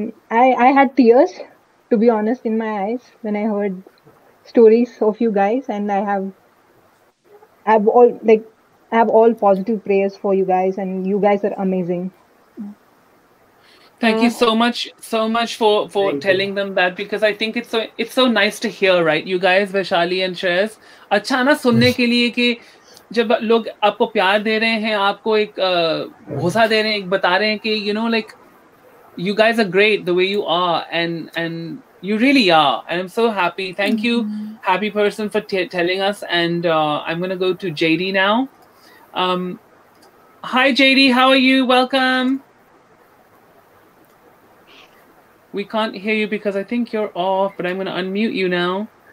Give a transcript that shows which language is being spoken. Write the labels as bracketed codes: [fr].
[en] I had tears, to be honest, in my eyes when I heard stories of you guys, and I have all positive prayers for you guys, and you guys are amazing. Thank you so much for telling them that, because I think it's so nice to hear, right? You guys, [hi] Vaishali and Shreyas, अच्छा ना सुनने के लिए कि जब लोग आपको प्यार दे रहे हैं, आपको एक भोसा दे रहे हैं, एक बता रहे हैं कि [en] you know, like, you guys are great the way you are, and you really are, and I'm so happy. Thank you, happy person, for telling us, and I'm gonna go to JD now. Hi JD, how are you? Welcome. We can't hear you because I think you're off, but I'm going to unmute you now.